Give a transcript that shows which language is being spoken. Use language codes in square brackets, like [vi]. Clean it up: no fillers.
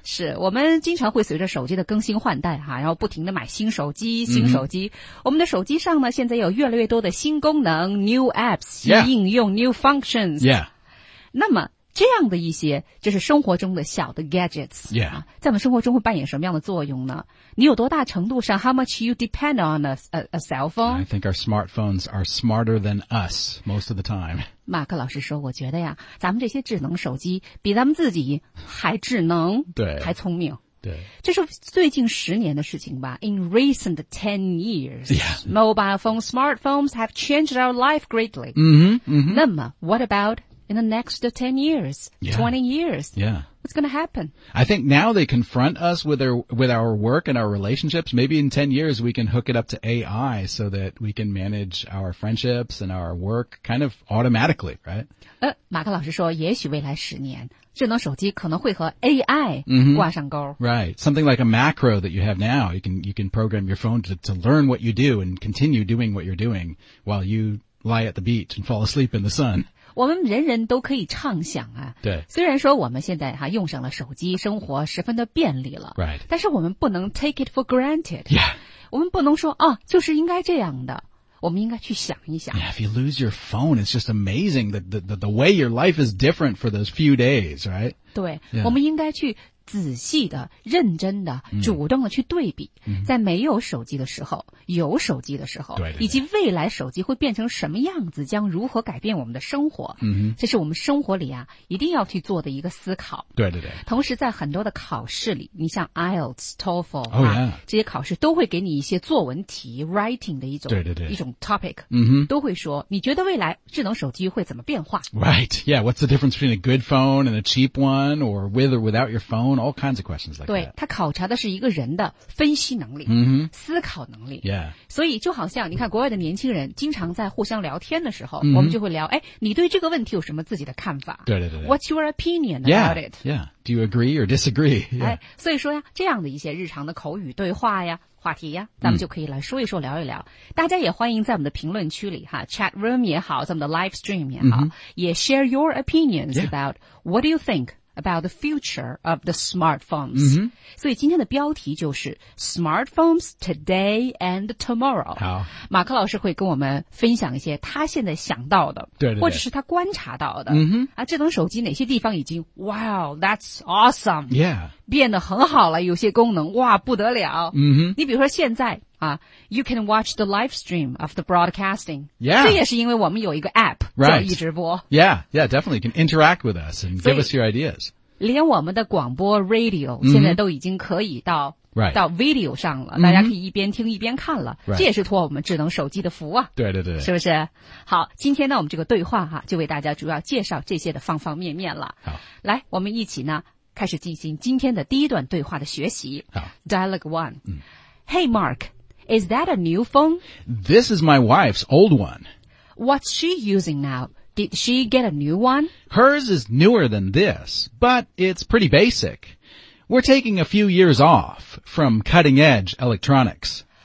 [zh] 是我们经常会随着手机的更新换代哈，然后不停地买新手机新手机。我们的手机上呢现在有越来越多的新功能 , [en] new apps, [zh] 新应用 [en] new functions. Yeah. [zh] 那么这样的一些就是生活中的小的 gadgets、 [en] yeah. [zh] 在我们生活中会扮演什么样的作用呢？你有多大程度上 [en] how much you depend on a cell phone? I think our smartphones are smarter than us most of the time. [zh] 马克老师说我觉得呀咱们这些智能手机比咱们自己还智能对还聪明对，这是最近十年的事情吧。 [en] In recent 10 years,、 yeah. mobile phones, smartphones have changed our life greatly. 嗯、mm-hmm, 哼、 mm-hmm. [zh] 那么 [en] what aboutIn the next 10 years, yeah. 20 years, yeah. what's going to happen? I think now they confront us with our work and our relationships. Maybe in 10 years we can hook it up to AI so that we can manage our friendships and our work kind of automatically, right? [zh] 马克老师说也许未来十年智能手机可能会和 AI 挂上钩。 [en] Mm-hmm. Right. Something like a macro that you have now. You can program your phone to learn what you do and continue doing what you're doing while you lie at the beach and fall asleep in the sun. [zh] 我们人人都可以畅想啊。对。虽然说我们现在用上了手机生活十分的便利了。 [en] Right. [zh] 但是我们不能 [en] take it for granted. Yeah. [zh] 我们不能说啊就是应该这样的。我们应该去想一想。 [en] Yeah, if you lose your phone, it's just amazing that the way your life is different for those few days, right? 对。Yeah. [zh] 我们应该去仔细的认真的主动的去对比、在没有手机的时候有手机的时候对对对以及未来手机会变成什么样子将如何改变我们的生活、这是我们生活里啊一定要去做的一个思考对对对同时在很多的考试里你像 IELTS TOEFL、 [en] oh, yeah. [zh] 这些考试都会给你一些作文题 writing 的一种对对对一种 topic、都会说你觉得未来智能手机会怎么变化 [en] right yeah what's the difference between a good phone and a cheap one or with or without your phoneAll kinds of questions like that. [zh] 对，他考察的是一个人的分析能力、思考能力。 [en] Yeah. [zh] 所以就好像你看国外的年轻人经常在互相聊天的时候、我们就会聊哎，你对这个问题有什么自己的看法？对对 对, 对。 [en] What's your opinion about it? Yeah. yeah. Do you agree or disagree? Yeah. [zh] 哎，所以说呀，这样的一些日常的口语对话呀、话题呀，咱们就可以来说一说、聊一聊。大家也欢迎在我们的评论区里哈 ，chat room 也好，在我们的 live stream 也好，也 [en] share your opinions、about what do you think. About the future of the smartphones.、 [zh] 所以今天的标题就是 [en] Smartphones Today and Tomorrow. [zh] 好，马克老师会跟我们分享一些他现在想到的，对对对或者是他观察到的、啊，智能手机哪些地方已经 [en] Wow, that's awesome. Yeah. [zh] 变得很好了，有些功能哇不得了。嗯哼，你比如说现在啊 [en] ，You can watch the live stream of the broadcasting. Yeah. [zh] 这也是因为我们有一个 app 叫一直播。 [en] Yeah, yeah, definitely you can interact with us and give us your ideas. [zh] 连我们的广播 radio 现在都已经可以到、 [en] right. [zh] 到 video 上了，大家可以一边听一边看了。 [en] Right. [zh] 这也是托我们智能手机的福啊。对对对。是不是？好，今天呢，我们这个对话哈、就为大家主要介绍这些的方方面面了。好，来，我们一起呢。开始进行今天的第一段对话的学习。好 [en] ，Dialogue One.、Hey Mark, is that a new phone? This is my wife's old one. What's she using now? Did she get a new one? Hers is newer than this, but it's pretty basic. We're taking a few years off from cutting-edge electronics.